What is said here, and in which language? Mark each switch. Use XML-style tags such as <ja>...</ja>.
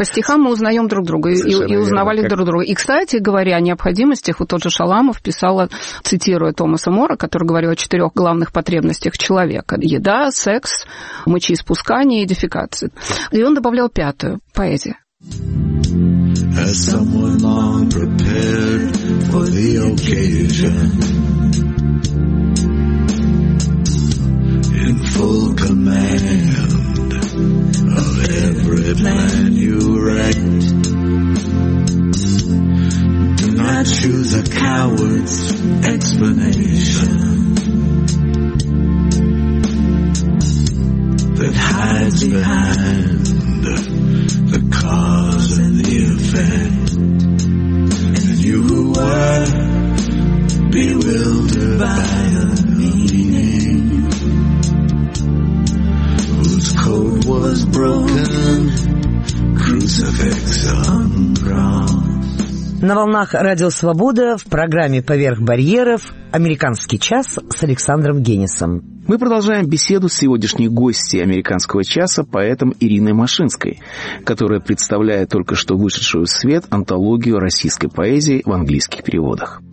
<ru>По стихам мы узнаем друг друга и узнавали друг друга. И, кстати говоря, о необходимостях, вот тот же Шаламов писал, цитируя Томаса Мора, который говорил о четырех главных потребностях человека: еда, секс, мочеиспускание и дефекация. И он добавлял пятую – поэзия.</ru> <en>As someone long prepared for the occasion, in full command of every plan you write, do not choose a coward's explanation that hides behind the cause and the effect. And you who were bewildered by a meaning whose code was broken, crucifix on bronze.</en> <ru>На волнах Радио Свобода в программе «Поверх барьеров» «Американский час» с Александром Генисом. Мы продолжаем беседу с сегодняшней гостьей «Американского часа» поэтом Ириной Машинской, которая представляет только что вышедшую в свет антологию российской поэзии в английских переводах.</ru>